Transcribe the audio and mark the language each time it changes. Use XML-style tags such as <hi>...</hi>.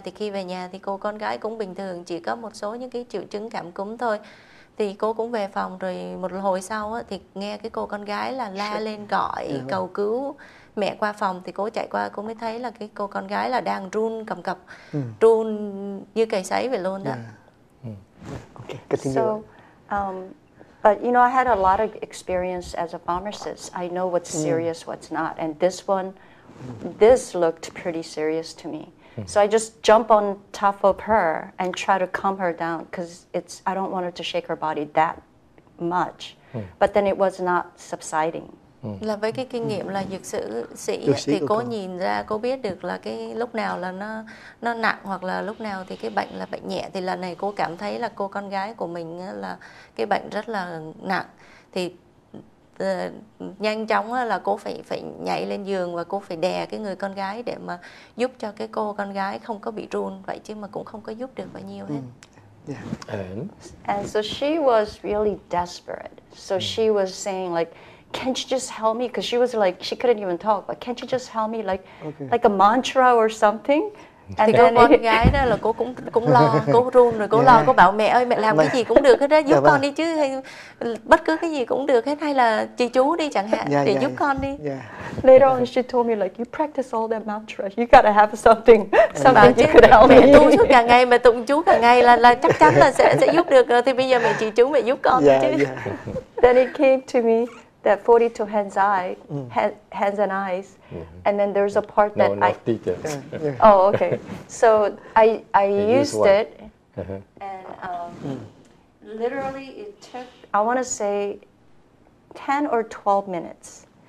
<vi>Thì khi về nhà thì cô con gái cũng bình thường, chỉ có một số những cái triệu chứng cảm cúm thôi. Thì cô cũng về phòng rồi một hồi sau á thì nghe cái cô con gái là la lên gọi cầu cứu mẹ qua phòng. Thì cô chạy qua cô mới thấy là cái cô con gái là đang run cầm cập, run như cầy sấy vậy luôn đó.</vi> <en>Okay, continue. So, but you know, I had a lot of experience as a pharmacist. I know what's serious, what's not. And this one, this looked pretty serious to me. So I just jump on top of her and try to calm her down because I don't want her to shake her body that much. But then it was not subsiding.</en> <vi>Là với cái kinh nghiệm là dược sĩ thì cô nhìn ra cô biết được là cái lúc nào là nó nặng hoặc là lúc nào thì cái bệnh là bệnh nhẹ. Thì lần này cô cảm thấy là cô con gái của mình là cái bệnh rất là nặng thì nhanh chóng là cô phải nhảy lên giường và cô phải đè cái người con gái để mà giúp cho cái cô con gái không có bị run vậy, chứ mà cũng không có giúp được bao nhiêu hết.</vi> <en>And so she was really desperate, so she was saying like, can't you just help me? Because she was like, she couldn't even talk, but can't you just help me? Like, like a mantra or something. And then</en> <vi>con gái đó là cô cũng lo, cô run rồi cô lo, cô bảo mẹ ơi mẹ làm cái gì cũng được hết đó, giúp con đi chứ, hay bất cứ cái gì cũng được hết, hay là chị chú đi chẳng hạn để giúp con đi.</vi> <en>Later on she told me like, you practice all that mantra, you gotta have something, something you could help me.</en> <vi>Mẹ tu suốt cả ngày, mẹ tụng chú cả ngày là chắc chắn là sẽ giúp được rồi. Thì bây giờ mẹ chị chú mẹ giúp con chứ.</vi> <en>Then it came to me that 42 hands and eyes, and then there's a part that no enough details. Oh, okay. So I used it, and literally it took, I want to say, 10 or 12 minutes.</en>